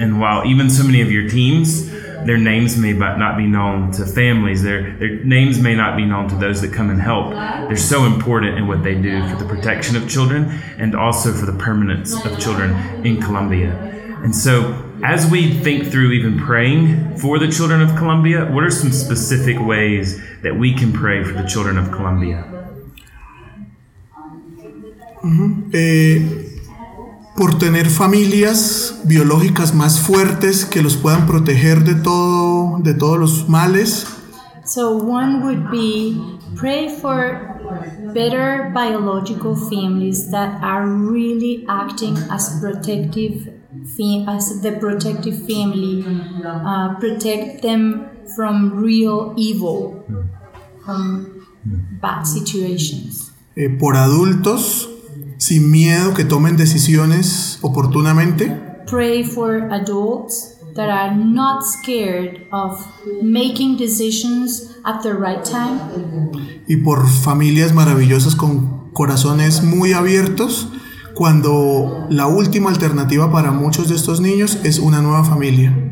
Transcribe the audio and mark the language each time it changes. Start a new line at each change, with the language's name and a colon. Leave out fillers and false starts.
English: And while even so many of your teams, their names may not be known to families, their names may not be known to those that come and help, they're so important in what they do for the protection of children and also for the permanence of children in Colombia. And so as we think through even praying for the children of Colombia, what are some specific ways that we can pray for the children of Colombia?
Spanish: Por tener familias biológicas más fuertes que los puedan proteger de todos los males.
English: So one would be pray for better biological families that are really acting as the protective family, protect them from real evil, from bad situations.
Spanish: Por adultos sin miedo que tomen decisiones oportunamente.
English: Pray for adults that are not scared of making decisions at the right time.
Spanish: Y por familias maravillosas con corazones muy abiertos, cuando la última alternativa para muchos de estos niños es una nueva familia.